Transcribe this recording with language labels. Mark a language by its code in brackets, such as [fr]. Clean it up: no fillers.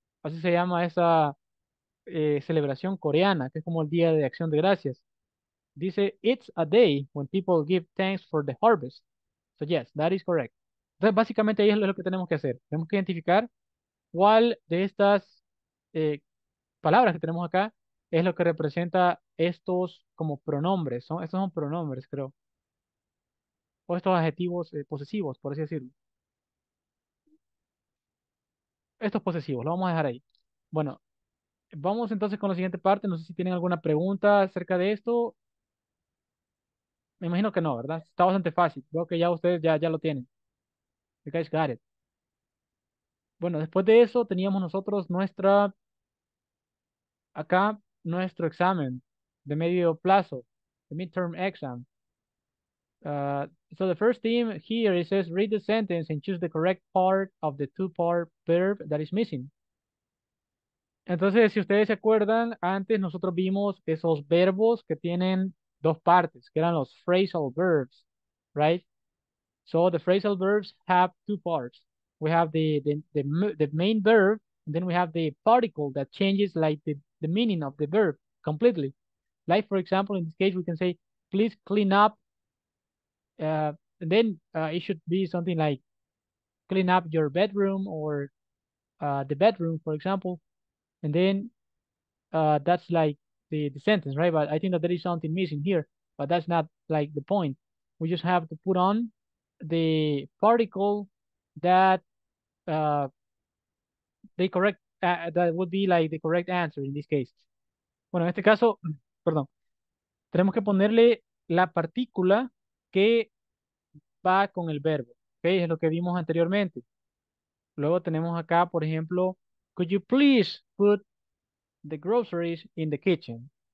[es] Así se llama esa celebración coreana, que es como el Día de Acción de Gracias. Dice, [en] it's a day when people give thanks for the harvest. So yes, that is correct. [es] Entonces, básicamente ahí es lo que tenemos que hacer. Tenemos que identificar cuál de estas palabras que tenemos acá es lo que representa estos como pronombres. Estos son pronombres, creo. O estos adjetivos posesivos, por así decirlo. Estos posesivos, lo vamos a dejar ahí. Bueno, Vamos entonces con la siguiente parte. No sé si tienen alguna pregunta acerca de esto. Me imagino que no, ¿verdad? Está bastante fácil. Veo que ya ustedes ya lo tienen. [en] You guys got it. [es] Bueno, después de eso teníamos nosotros nuestra... Acá, nuestro examen de medio plazo. [en] The midterm exam. So the first theme here, it says read the sentence and choose the correct part of the two-part verb that is missing. [es] Entonces, si ustedes se acuerdan, antes nosotros vimos esos verbos que tienen dos partes, que eran los [en] phrasal verbs, right? So the phrasal verbs have two parts. We have the main verb, and then we have the particle that changes like the meaning of the verb completely. Like, for example, in this case, we can say, please clean up. And then it should be something like clean up your bedroom or the bedroom, for example. And then that's like the sentence, right? But I think that there is something missing here, but that's not like the point. We just have to put on the particle that the correct that would be like the correct answer in this case. [es] Bueno, en este caso, perdón, tenemos que ponerle la partícula que va con el verbo, okay? Es lo que vimos anteriormente. Luego tenemos acá, por ejemplo, [en] could you please put the groceries in the kitchen?